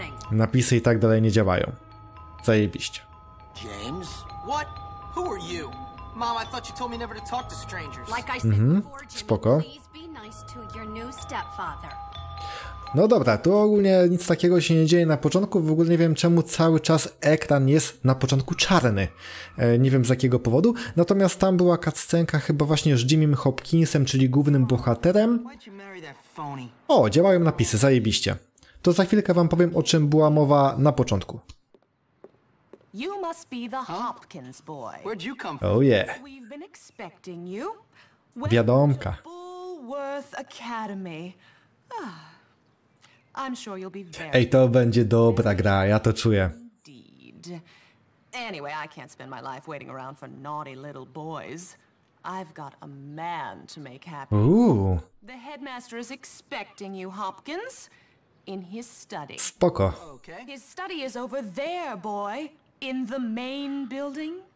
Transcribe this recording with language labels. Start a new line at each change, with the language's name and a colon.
Polish: Napisy i tak dalej nie działają. Zajebiście.
English: James? What? Who are you? Mom, I thought you told me never to talk to strangers. Like I said before, James, please be nice to your new stepfather.
Polish: No dobra, tu ogólnie nic takiego się nie dzieje na początku, w ogóle nie wiem czemu cały czas ekran jest na początku czarny. Nie wiem z jakiego powodu, natomiast tam była cutscenka chyba właśnie z Jimmy Hopkinsem, czyli głównym bohaterem. O, działają napisy, zajebiście. To za chwilkę wam powiem, o czym była mowa na początku.
English: You must be the Hopkins boy. Where'd you come from? Oh yeah. We've been expecting you.
Polish: Wiadomka. Bullworth Academy.
English: I'm sure you'll be very...
Polish: Ej, to będzie dobra gra, ja to czuję.
English: Indeed. Anyway, I can't spend my life waiting around for naughty little boys. I've got a man to make happy. Ooh. The headmaster is expecting you, Hopkins, in his study.
Polish: Spoko.
English: Okay. His study is over there, boy, in the main building.